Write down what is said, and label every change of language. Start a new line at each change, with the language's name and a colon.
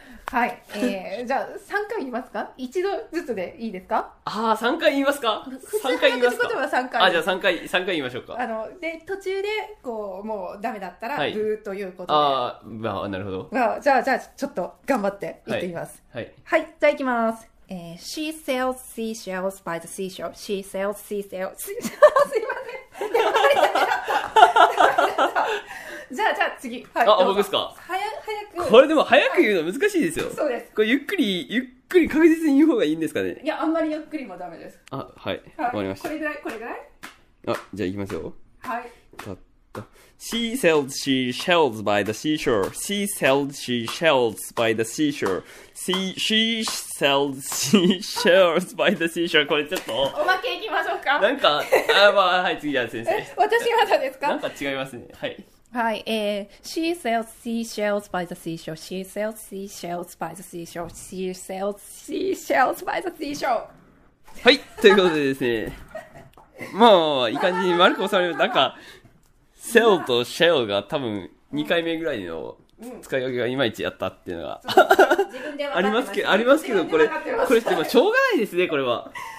Japanese: はい、じゃあ3回言いますか。一度ずつでいいですか。ああ、3回言いますか。普通の言葉は3回。あ、じゃあ3回言いましょうか。で、途中でこうもうダメだったらブーということで、はい、まあ、なるほど、まあ、じゃあちょっと頑張って言ってみます。はい、はいはい、じゃあ行きます。
English: She sells seashells by the seashore. She sells seashells.
Japanese: すいません、やっぱりじゃあ次、はい、あ、僕ですか。早くこれでも早く言うの難しいですよ。そうです。これゆっくり確実に言う方がいいんですかね。いや、あんまりゆっくりもダメです。あ、はい、わかりました。これぐらい。あ、じゃあいきますよ。はい、
English: たった She sells she shells by the seashore. She sells she shells by the seashore. She sells she shells by the seashore.
Japanese: これちょっとおまけいきましょうか。なんか、あ、まあ、はい、次は先生。私まだですか。なんか違いますね。はい
English: はい、She sells seashells by the seashore. She sells seashells by the seashore. She sells seashells by the seashore.
Japanese: はい、ということでですね。まあ、まあ、いい感じに丸く収まる。なんか、sell と shell が多分2回目ぐらいの使い分けがいまいちやったっていうのが、ありますけど、これしてもしょうがないですね、これは。